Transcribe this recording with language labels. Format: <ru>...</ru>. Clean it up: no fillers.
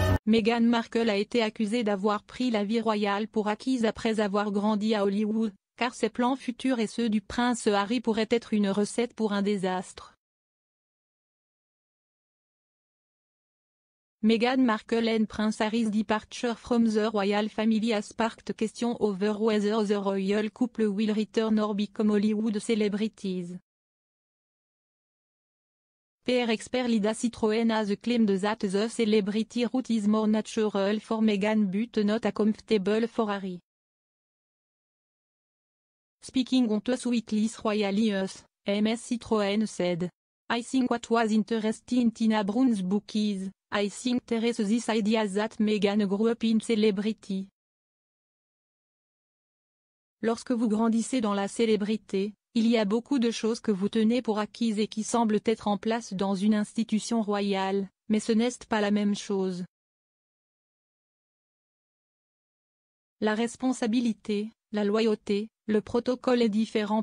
<fr>Meghan Markle a été accusée d'avoir pris la vie royale pour acquise après avoir grandi à Hollywood, car ses plans futurs et ceux du prince Harry pourraient être une recette pour un désastre.</fr> <en>Meghan Markle and Prince Harry's departure from the royal family has sparked questions over whether the royal couple will return or become Hollywood celebrities. PR expert Lida Citroën has claimed that the celebrity route is more natural for Meghan but not a comfortable for Harry. Speaking on Us Weekly's Royally Us, Ms. Citroën said, I think what was interesting in Tina Brown's book is, I think there is this idea that Meghan grew up in celebrity.</en> <fr>Lorsque vous grandissez dans la célébrité, il y a beaucoup de choses que vous tenez pour acquises et qui semblent être en place dans une institution royale, mais ce n'est pas la même chose. La responsabilité, la loyauté, le protocole est différent.</fr>